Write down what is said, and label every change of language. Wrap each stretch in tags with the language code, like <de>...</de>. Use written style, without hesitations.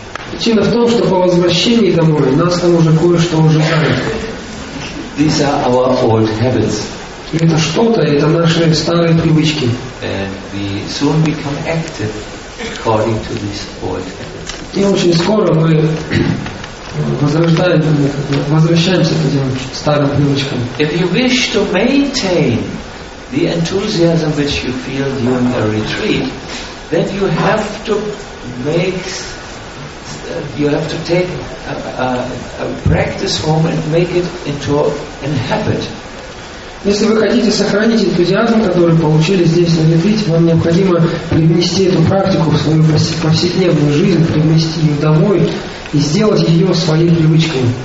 <ru>Причина в том, что по возвращении домой нас там уже кое-что уже ждет.</ru> <en>These are our old habits.</en> <ru>Это что-то, это наши старые привычки.</ru> <en>And we soon become active according to these old habits.</en> <ru>И очень скоро мы возвращаемся к этим старым привычкам.</ru> <en>If you wish to maintain the enthusiasm which you feel during a retreat, then you have to take a practice home and make it into a habit.</en> <ru>Если вы хотите сохранить энтузиазм, который получили здесь на ретрите, вам необходимо привнести эту практику в свою повседневную жизнь, привнести ее домой и сделать ее своей привычкой.</ru>